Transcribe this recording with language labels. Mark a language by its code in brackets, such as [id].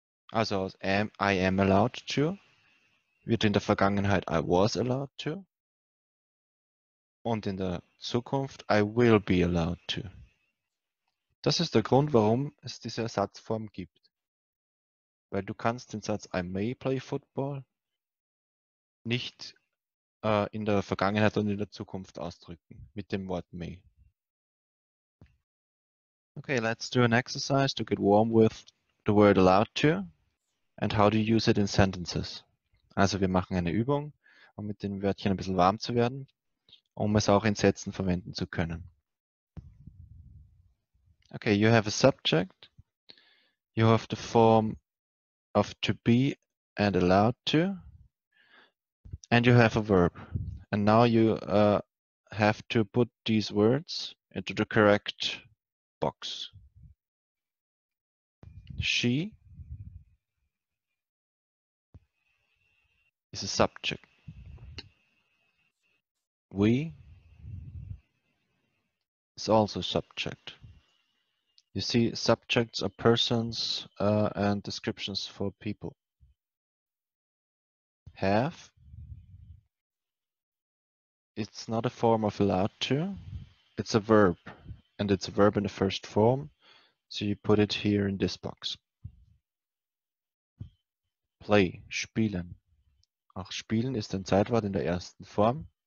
[de] Also aus [en] I am allowed to [de] wird in der Vergangenheit [en] I was allowed to [de] und in der Zukunft [en] I will be allowed to. [de] Das ist der Grund, warum es diese Ersatzform gibt. Weil du kannst den Satz [en] I may play football [de] nicht in der Vergangenheit und in der Zukunft ausdrücken mit dem Wort may. [en] Okay, let's do an exercise to get warm with the word allowed to and how to use it in sentences. [de] Also wir machen eine Übung, um mit den Wörtchen ein bisschen warm zu werden, um es auch in Sätzen verwenden zu können. [en] Okay, you have a subject. You have the form of to be and allowed to, and you have a verb. And now you have to put these words into the correct box. She is a subject. We is also a subject. You see, subjects are persons and descriptions for people. Have. It's not a form of allowed to. It's a verb. And it's a verb in the first form. So you put it here in this box. Play. [de] Spielen. Auch spielen ist ein Zeitwort in der ersten Form.